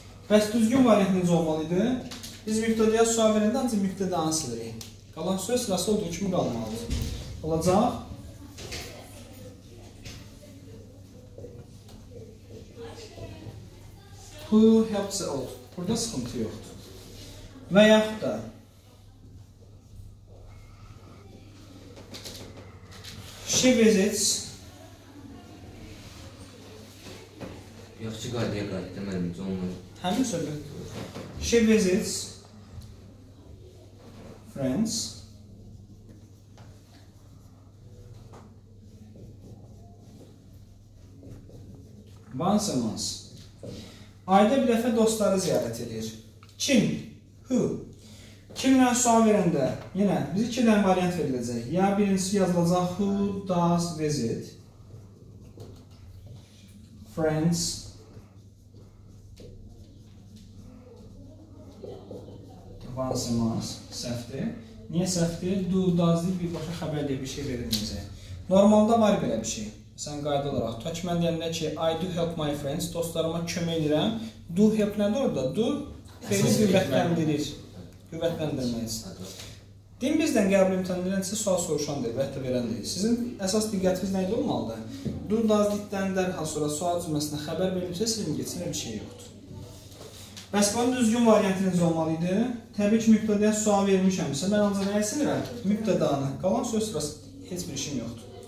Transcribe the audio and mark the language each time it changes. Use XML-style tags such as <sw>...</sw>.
<az>Bəs düzgün variantınız olmalıydı. Biz mübtədaya sual verəndə ancaq mübtədanı silirik. Qalan söz sırası olduğu kimi qalmalıdır. Olacaq.</az> <en>Who helped the old?</en> <az>Burada sıxıntı yoxdur. Və yaxud da</az> <en>she visits.</en> <az>Yaxşı qaydaya qayıt, deməli, biz onları. Həmin söhbət.</az> <en>She visits friends once a month.</en> <az>Ayda bir dəfə dostları ziyarət edir. Kim?</az> <en>Who?</en> <az>Kimlə sual verəndə? Yenə, biz iki dənə variant veriləcək. Ya birincisi yazılacaq</az> <en>who does visit friends once a month.</en> <az>Səhvdir. Niyə səhvdir? Do, does deyil, birbaşa xəbər deyil, bir şey veriləcək. Normalda var belə bir şey. Sən qayda olaraq, tutaq ki, mən deyəndə ki,</az> <en>I do help my friends,</en> <az>dostlarıma kömək edirəm.</az> <en>Do help</en> <az>nədir orada? Do, feyli qüvvətləndirir. Qüvvətləndirməyiz. Deyim bizdən qəbul imtəndirən isə sual soruşan deyil, vəhtə verən deyil. Sizin əsas diqqətiniz nəyə olmalıdır? Do, does, did-dən dərhal sonra sual cümləsində xəbər verilmişsə, sizin geçirə bir şey yoxdur. Bəs bunun düzgün variantiniz olmalı idi. Təbii ki, mübtədaya sual vermişəm isə, mən ancaq nəyə silirəm? Mübtədanı. Qalan söz sırası heç bir işim yoxdur.</az>